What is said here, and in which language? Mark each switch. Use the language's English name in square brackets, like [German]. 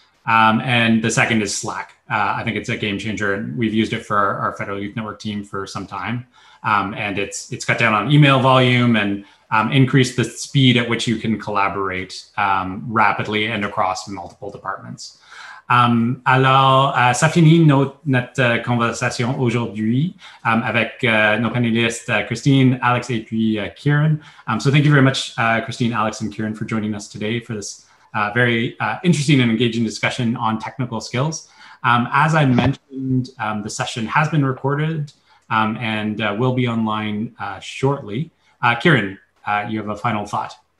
[English] And the second is Slack. I think it's a game changer, and we've used it for our Federal Youth Network team for some time. And it's cut down on email volume and increased the speed at which you can collaborate rapidly and across multiple departments. [French] Alors, ça finit notre conversation aujourd'hui avec nos panélistes Christine, Alex et puis Kieran. [English] So thank you very much, Christine, Alex and Kieran, for joining us today for this very interesting and engaging discussion on technical skills. As I mentioned, the session has been recorded and will be online shortly. Kieran, you have a final thought.